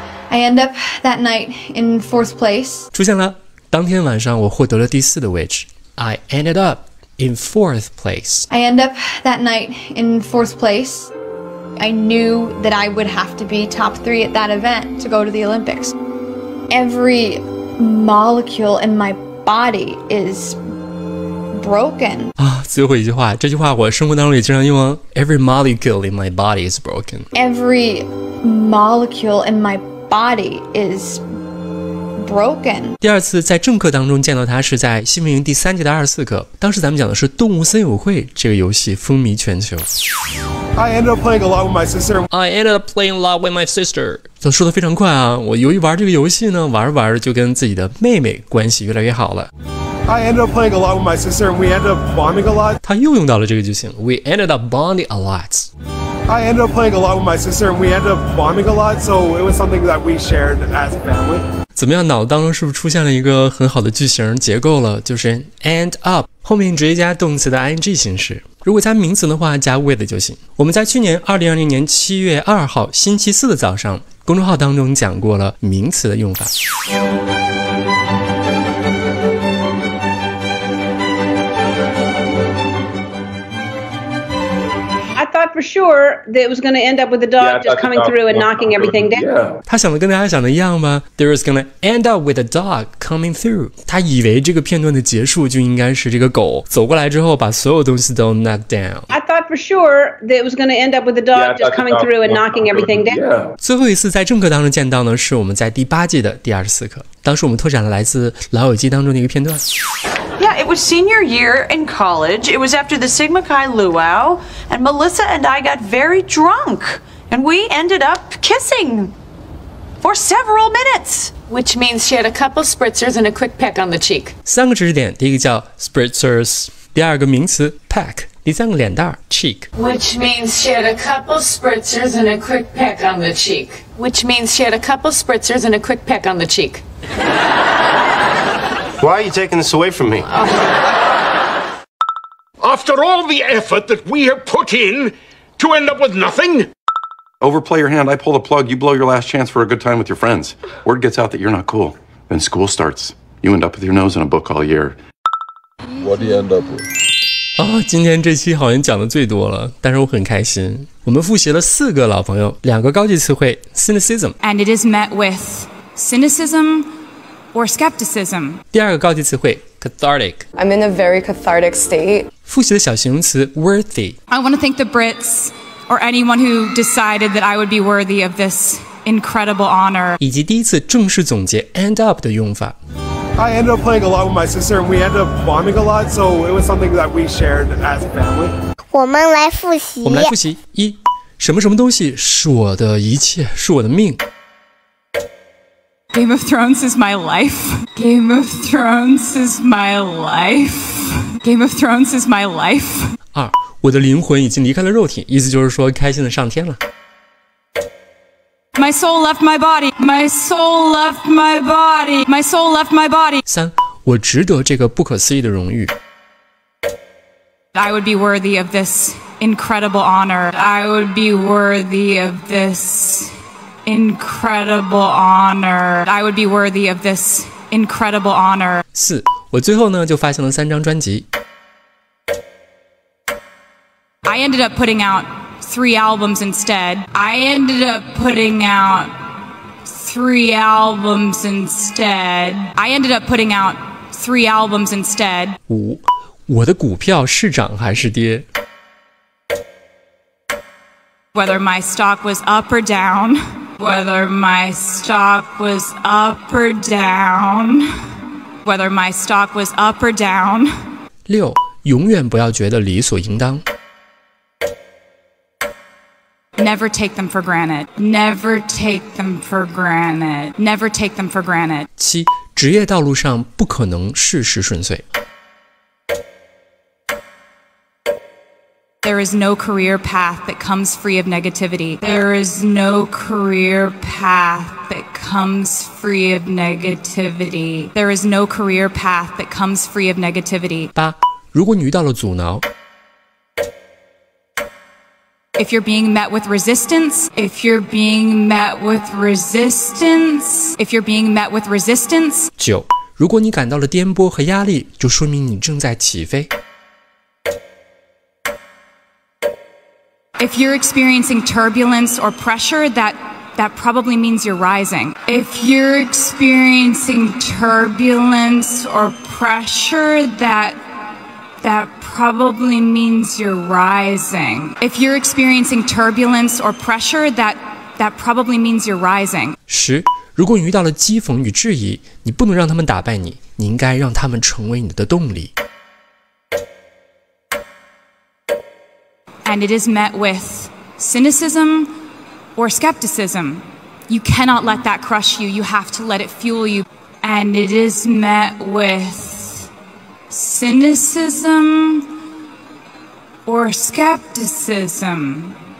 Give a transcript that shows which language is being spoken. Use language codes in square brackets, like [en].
[en] I end up that night in fourth place. [zh] 出现了，当天晚上我获得了第四的位置。 [en] I ended up in fourth place. I end up that night in fourth place. I knew that I would have to be top three at that event to go to the Olympics. Every molecule in my body is broken. [zh] 啊，最后一句话，这句话我生活当中也经常用啊。 [en] Every molecule in my body is broken. Every molecule in my body is broken. [zh] 第二次在正课当中见到他是在新兵营第三节的二十四课，当时咱们讲的是动物森友会这个游戏风靡全球。 [en] I ended up playing a lot with my sister. I ended up playing a lot with my sister. [zh] 说得非常快啊，我由于玩这个游戏呢，玩着玩着就跟自己的妹妹关系越来越好了。 [en] I ended up playing a lot with my sister and we ended up bonding a lot. [zh] 他又用到了这个句型 [en] We ended up bonding a lot. I ended up playing a lot with my sister and we ended up bonding a lot. So it was something that we shared as a family. [zh] 怎么样，脑子当中是不是出现了一个很好的句型结构了，就是 end up 后面直接加动词的 ing 形式，如果加名词的话加 with 就行。我们在去年2020年7月2号星期四的早上公众号当中讲过了名词的用法。 [en] For sure that it was going to end up with the dog just coming through and knocking everything down. Yeah. [zh] 他想的跟大家想的一样吗？ [en] There is going to end up with a dog coming through. [zh] 他以为这个片段的结束就应该是这个狗走过来之后把所有东西都 [en] knock down. I thought for sure that it was going to end up with the dog just coming through and knocking everything down. Yeah. [zh] 最后一次在正课当中见到呢，是我们在第八季的第二十四课。当时我们拓展了来自老友记当中的一个片段。 [en] Yeah, it was senior year in college. It was after the Sigma Chi Luau, and Melissa and I got very drunk, and we ended up kissing for several minutes. Which means she had a couple spritzers and a quick peck on the cheek. 三个知识点，第一个叫 spritzers， 第二个名词 peck， 第三个脸蛋 cheek. Which means she had a couple spritzers and a quick peck on the cheek. Which means she had a couple spritzers and a quick peck on the cheek. Why are you taking this away from me? After all the effort that we have put in to end up with nothing? Overplay your hand, I pull the plug, you blow your last chance for a good time with your friends. Word gets out that you're not cool. Then school starts. You end up with your nose in a book all year. What do you end up with? [zh] 啊、哦，今天这期好像讲的最多了，但是我很开心。我们复习了四个老朋友，两个高级词汇 cynicism. [en] And it is met with cynicism. Or skepticism. [zh] 第二个高级词汇 cathartic. [en] I'm in a very cathartic state. [zh] 复习的小形容词 worthy. [en] I want to thank the Brits or anyone who decided that I would be worthy of this incredible honor. [zh] 以及第一次正式总结 end up 的用法。 [en] I ended up playing a lot with my sister and we ended up bonding a lot, so it was something that we shared as a family. [zh] 我们来复习。一，什么什么东西是我的一切，是我的命。 [en] Game of Thrones is my life. Game of Thrones is my life. Game of Thrones is my life. [zh] 二，我的灵魂已经离开了肉体，意思就是说开心的上天了。 [en] My soul left my body. My soul left my body. My soul left my body. [zh] 三，我值得这个不可思议的荣誉。 [en] I would be worthy of this incredible honor. I would be worthy of this. Incredible honor. I would be worthy of this incredible honor. [zh] 四，我最后呢就发行了三张专辑。 [en] I ended up putting out three albums instead. I ended up putting out three albums instead. I ended up putting out three albums instead. [zh] 五，我的股票是涨还是跌？ [en] Whether my stock was up or down, whether my stock was up or down, whether my stock was up or down. [zh] 六，永远不要觉得理所应当。 [en] Never take them for granted. Never take them for granted. Never take them for granted. [zh] 七，职业道路上不可能事事顺遂。 [en] There is no career path that comes free of negativity. There is no career path that comes free of negativity. There is no career path that comes free of negativity. [zh] 八，如果你遇到了阻挠。 [en] If you're being met with resistance, if you're being met with resistance, if you're being met with resistance. [zh] 九，如果你感到了颠簸和压力，就说明你正在起飞。 [en] If you're experiencing turbulence or pressure, that probably means you're rising. If you're experiencing turbulence or pressure, that probably means you're rising. If you're experiencing turbulence or pressure, that probably means you're rising. [zh] 十，如果你遇到了讥讽与质疑，你不能让他们打败你，你应该让他们成为你的动力。 [en] And it is met with cynicism or skepticism. You cannot let that crush you. You have to let it fuel you. And it is met with cynicism or skepticism.